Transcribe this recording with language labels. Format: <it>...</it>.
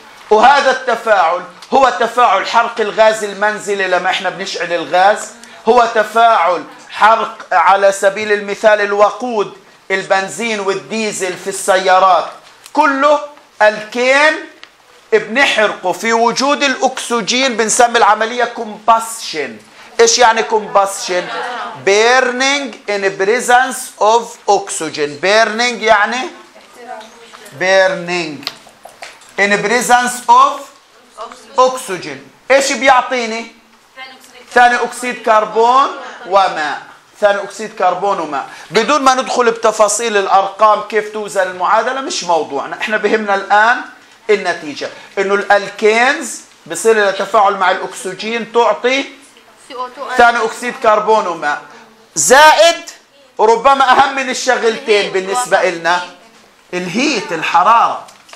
<ar>وهذا التفاعل هو تفاعل حرق الغاز المنزلي، لما احنا بنشعل الغاز هو تفاعل حرق، على سبيل المثال الوقود البنزين والديزل في السيارات كله الكين بنحرقه في وجود الاكسجين، بنسمي العملية كومباسشن. ايش يعني</ar> <en>Combustion? Burning in presence of oxygen. Burning</en> <ar>يعني</ar> <en>Burning in presence of oxygen.</en> <ar>ايش بيعطيني؟ ثاني اكسيد كربون وماء. ثاني اكسيد كربون وماء. بدون ما ندخل بتفاصيل الارقام كيف توزن المعادله، مش موضوعنا. احنا بهمنا الان النتيجه، انه الالكينز بصير لها تفاعل مع الاكسجين تعطي ثاني اكسيد كربون وماء، زائد وربما اهم من الشغلتين بالنسبه لنا الهيت، الحراره.</ar>